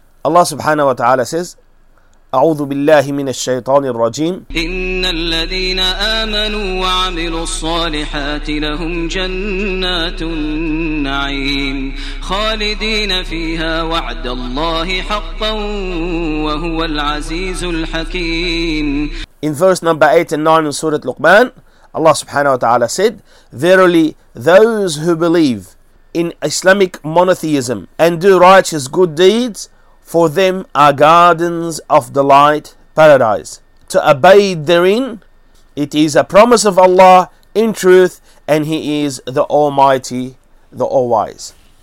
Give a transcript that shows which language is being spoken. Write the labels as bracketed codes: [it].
[en] Allah subhanahu wa ta'ala says, [ar] أعوذ بالله من الشيطان الرجيم إن الذين آمنوا وعملوا الصالحات لهم جنات النعيم خالدين فيها وعد الله حقا وهو العزيز الحكيم. [en] In verse number 8 and 9 in Surah Luqman, Allah subhanahu wa ta'ala said, verily those who believe in Islamic monotheism and do righteous good deeds, for them are gardens of delight, paradise. To abide therein, it is a promise of Allah in truth, and He is the Almighty, the All-Wise.